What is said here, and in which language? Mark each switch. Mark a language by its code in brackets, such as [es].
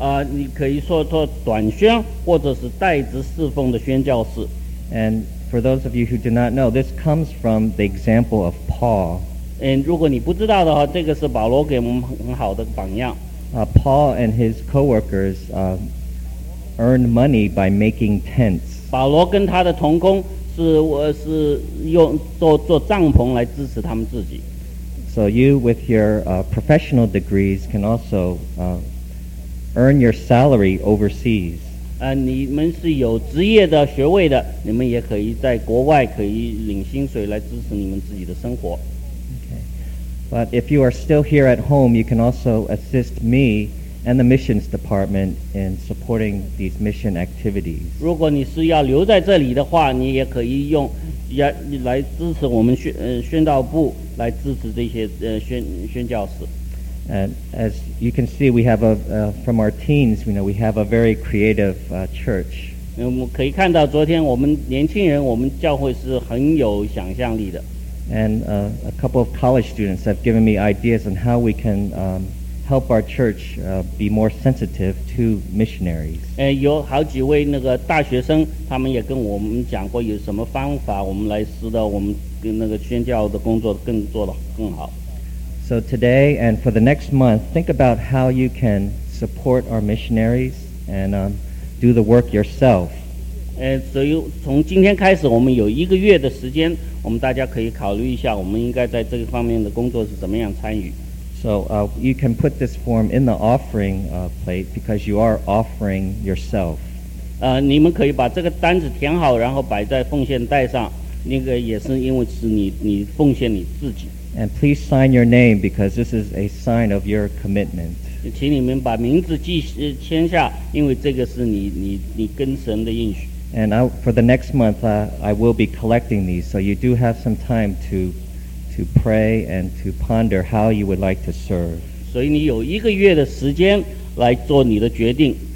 [zh] 你可以说做短宣或者是代职侍奉的宣教士。 [en] And for those of you who do not know, this comes from the example of Paul. [zh] And 如果你不知道的话，这个是保罗给我们很好的榜样。 [en] Paul and his co-workers earned money by making tents. [zh] 保罗跟他的同工是用做帐篷来支持他们自己。 [en] So you with your professional degrees can also earn your salary overseas. [zh] 你们是有职业的学位的，你们也可以在国外可以领薪水来支持你们自己的生活。 [en] Okay. But if you are still here at home, you can also assist me and the missions department in supporting these mission activities. [zh] 如果你是要留在这里的话，你也可以用要来支持我们宣道部来支持这些宣教士。 [en] And as you can see, we have from our teens, you know, we have a very creative church. [zh] 我们可以看到昨天我们年轻人，我们教会是很有想象力的。 [en] And a couple of college students have given me ideas on how we can help our church be more sensitive to missionaries. [zh] 有好几位那个大学生，他们也跟我们讲过有什么方法，我们来使得我们跟那个宣教的工作更做得更好。 [en] So today and for the next month, think about how you can support our missionaries and do the work yourself. [zh] 所以从今天开始，我们有一个月的时间，我们大家可以考虑一下，我们应该在这个方面的工作是怎么样参与。 [en] So you can put this form in the offering plate because you are offering yourself. [zh] 你们可以把这个单子填好，然后摆在奉献袋上。那个也是因为是你奉献你自己。 [en] And please sign your name because this is a sign of your commitment. [zh] 请你们把名字签下，因为这个是你跟神的应许。 [en] And for the next month, I will be collecting these, so you do have some time to pray and to ponder how you would like to serve. [zh] 所以你有一个月的时间来做你的决定，